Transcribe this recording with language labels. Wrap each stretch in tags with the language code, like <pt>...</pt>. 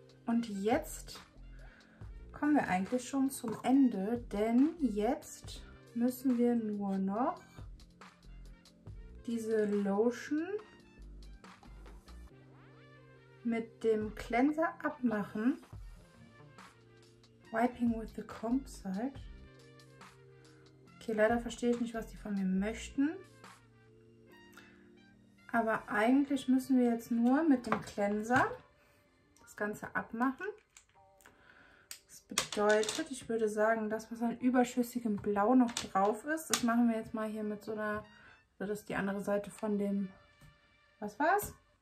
<de>Und jetzt kommen wir eigentlich schon zum Ende. Denn jetzt müssen wir nur noch diese Lotion mit dem Cleanser abmachen.</de> <en>Wiping with the Compsite.</en> <de>Okay, leider verstehe ich nicht, was die von mir möchten. Aber eigentlich müssen wir jetzt nur mit dem Cleanser das Ganze abmachen. Das bedeutet, ich würde sagen, das, was an überschüssigem Blau noch drauf ist, das machen wir jetzt mal hier mit so einer, also das ist die andere Seite von dem, was war's?</de>